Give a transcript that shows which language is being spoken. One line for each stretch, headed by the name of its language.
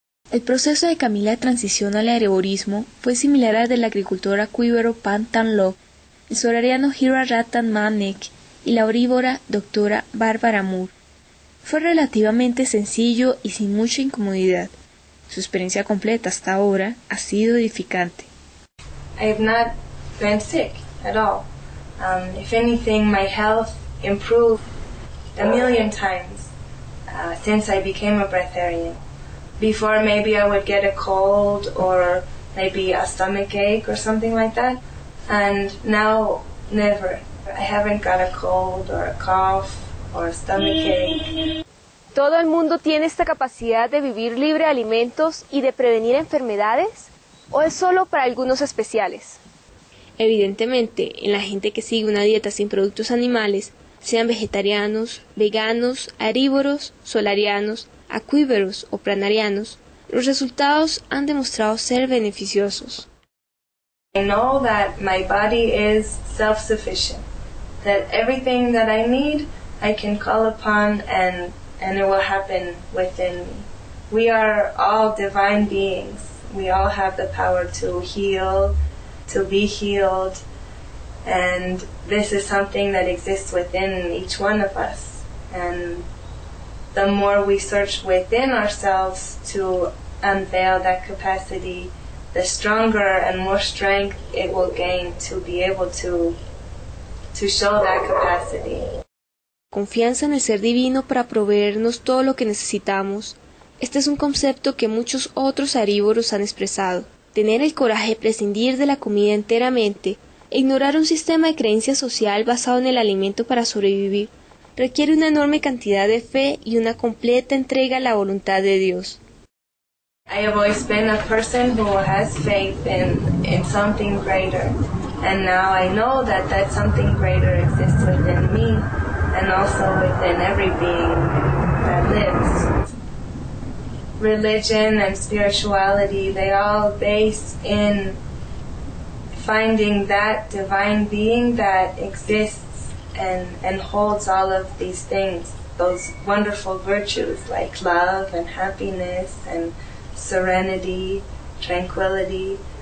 Spanish: El proceso de Camila de transición al arborismo fue similar al del agricultor acuíbero Pan Tan Lok, el solariano Hira Ratan Manek y la orívora doctora Barbara Moore. Fue relativamente sencillo y sin mucha incomodidad. Su experiencia completa hasta ahora ha sido edificante.
English: I have not been sick at all. If anything, my health improved a million times since I became a breatharian. Before, maybe I would get a cold or maybe a stomach ache or something like that. And now, never. I haven't got a cold or a cough or a stomach ache.
Spanish: ¿Todo el mundo tiene esta capacidad de vivir libre de alimentos y de prevenir enfermedades? ¿O es solo para algunos especiales? Evidentemente, en la gente que sigue una dieta sin productos animales, sean vegetarianos, veganos, herbívoros, solarianos, acuíferos o planarianos, los resultados han demostrado ser beneficiosos.
English: I know that my body is self-sufficient, that everything that I need, I can call upon and it will happen within me. We are all divine beings. We all have the power to heal, to be healed, and this is something that exists within each one of us. And the more we search within ourselves to unveil that capacity, the stronger and more strength it will gain to be able to show that capacity.
Spanish: Confianza en el ser divino para proveernos todo lo que necesitamos. Este es un concepto que muchos otros herbívoros han expresado. Tener el coraje de prescindir de la comida enteramente, ignorar un sistema de creencia social basado en el alimento para sobrevivir, requiere una enorme cantidad de fe y una completa entrega a la voluntad de Dios.
English: I have always been a person who has faith in something greater, and now I know that something greater exists within me and also within every being that lives. Religion and spirituality, they all base in finding that divine being that exists and holds all of these things, those wonderful virtues like love and happiness and serenity, tranquility.